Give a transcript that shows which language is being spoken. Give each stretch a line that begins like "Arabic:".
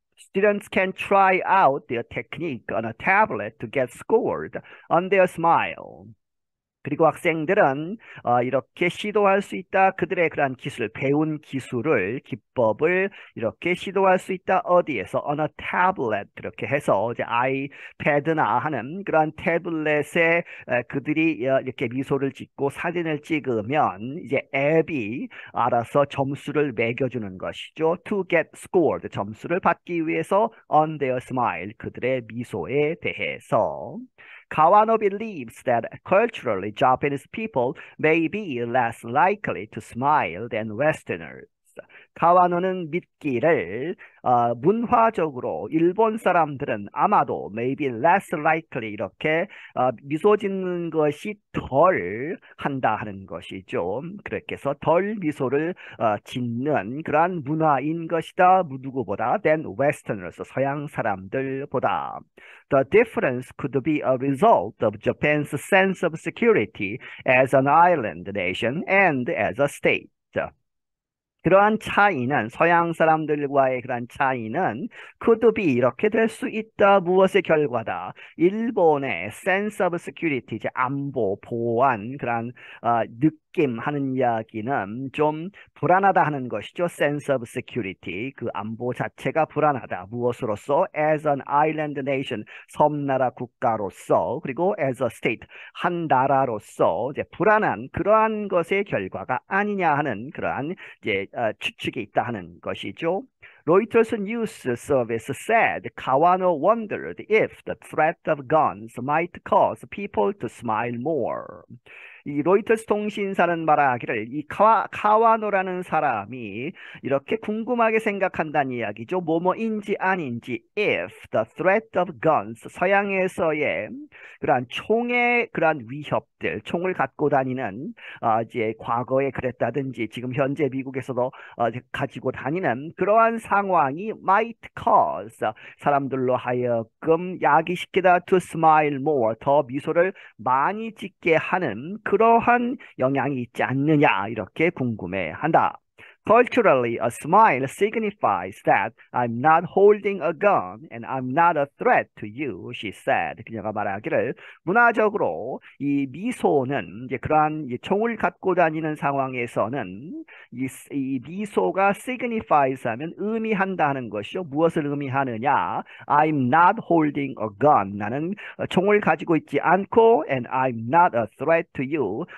English: Students can try out their technique on a tablet to get scored on their smile.
Korean: 그리고 학생들은 이렇게 시도할 수 있다. 그들의 그러한 기술, 배운 기술을, 기법을 이렇게 시도할 수 있다. 어디에서?
English: On a tablet.
Korean: 이렇게 해서 이제 아이패드나 하는 그러한 태블릿에 그들이 이렇게 미소를 짓고 사진을 찍으면 이제 앱이 알아서 점수를 매겨주는 것이죠.
English: To get scored.
Korean: 점수를 받기 위해서
English: on their smile.
Korean: 그들의 미소에 대해서.
English: Kawano believes that culturally, Japanese people may be less likely to smile than Westerners.
Korean: 카와노는 믿기를 문화적으로 일본 사람들은 아마도
English: maybe less likely
Korean: 이렇게 미소 짓는 것이 덜 한다 하는 것이죠. 그렇게 해서 덜 미소를 짓는 그러한 문화인 것이다. 누구보다
English: than Westerners
Korean: 서양 사람들보다.
English: The difference could be a result of Japan's sense of security as an island nation and as a state.
Korean: 그러한 차이는 서양 사람들과의 그러한 차이는
English: could be
Korean: 이렇게 될수 있다. 무엇의 결과다? 일본의
English: sense of security,
Korean: 이제 안보, 보안, 그러한 느낌 하는 이야기는 좀 불안하다 하는 것이죠.
English: sense of security,
Korean: 그 안보 자체가 불안하다. 무엇으로서?
English: as an island nation,
Korean: 섬나라 국가로서, 그리고
English: as a state,
Korean: 한 나라로서 이제 불안한 그러한 것의 결과가 아니냐 하는 그러한 이제 추측이 있다 하는 것이죠.
English: Reuters News Service said Kawano wondered if the threat of guns might cause people to smile more.
Korean: 이 로이터스 통신사는 말하기를 이 카와노라는 사람이 이렇게 궁금하게 생각한다는 이야기죠. 뭐뭐인지 아닌지
English: if the threat of guns
Korean: 서양에서의 그러한 총의 그러한 위협들 총을 갖고 다니는 이제 과거에 그랬다든지 지금 현재 미국에서도 가지고 다니는 그러한 상황이
English: might cause
Korean: 사람들로 하여금 야기시키다
English: to smile more
Korean: 더 미소를 많이 짓게 하는 그러한 영향이 있지 않느냐 이렇게 궁금해 한다.
English: Culturally, a smile signifies that I'm not holding a gun and I'm not a threat to you, she said.
Korean: 그녀가 말하기를 문화적으로 이 미소는 이제 그러한 이 총을 갖고 다니는 상황에서는 이 미소가
English: signifies
Korean: 하면 의미한다는 것이요. 무엇을 의미하느냐?
English: I'm not holding a gun.
Korean: 나는 총을 가지고 있지 않고
English: and I'm not a threat to you.